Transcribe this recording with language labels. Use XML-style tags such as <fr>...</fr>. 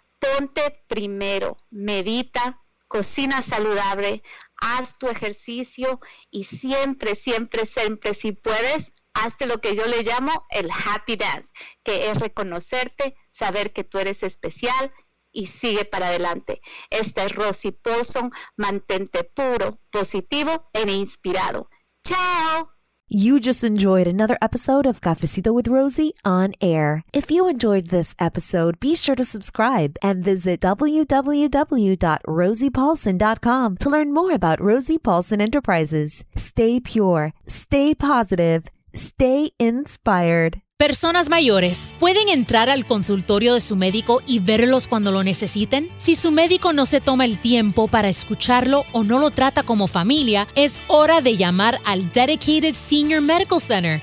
<es>Ponte primero, medita, cocina saludable, haz tu ejercicio y siempre, siempre, siempre, si puedes, hazte lo que yo le llamo el happy dance, que es reconocerte, saber que tú eres especial y sigue para adelante. Esta es Rosy Paulson, mantente puro, positivo e inspirado. ¡Chao!</es> <en>You just enjoyed another episode of Cafecito with Rosie on air. If you enjoyed this episode, be sure to subscribe and visit www.rosiepaulson.com to learn more about Rosie Paulson Enterprises. Stay pure, stay positive, stay inspired.</en> <es>Personas mayores, ¿pueden entrar al consultorio de su médico y verlos cuando lo necesiten? Si su médico no se toma el tiempo para escucharlo o no lo trata como familia, es hora de llamar al Dedicated Senior Medical Center.</es>